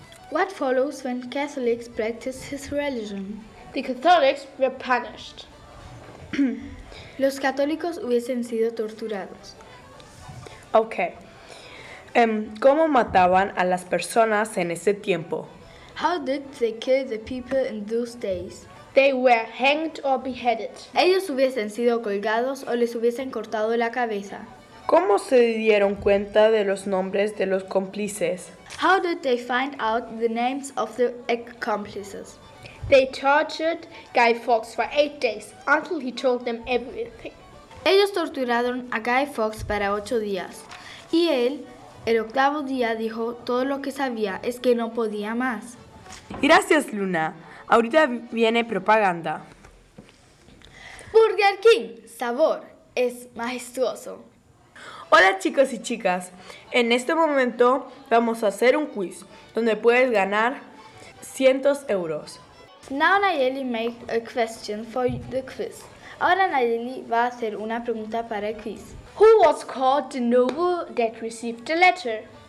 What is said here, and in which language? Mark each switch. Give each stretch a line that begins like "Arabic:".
English: What follows when Catholics practice his religion? The Catholics were punished.
Spanish: Los católicos hubiesen sido torturados.
English: Okay.
Spanish: ¿Cómo mataban a las personas en ese tiempo?
English: How did they kill the people in those days? They were hanged or beheaded.
Spanish: Ellos hubiesen sido colgados o les hubiesen cortado la cabeza. ¿Cómo se dieron cuenta de los nombres de los cómplices?
English: How did they find out the names of the accomplices? They tortured Guy Fawkes for 8 days until he told them everything.
Spanish: Ellos torturaron a Guy Fawkes para 8 días. Y él, el octavo día, dijo todo lo que sabía, es que no podía más. Gracias, Luna. Ahorita viene propaganda. Burger King, sabor, es majestuoso. Hola chicos y chicas, en este momento vamos a hacer un quiz donde puedes ganar cientos de euros.
English: Now Nayeli make a question for the quiz.
Spanish: Ahora Nayeli va a hacer una pregunta para el quiz.
English: Who was called the noble that received the letter?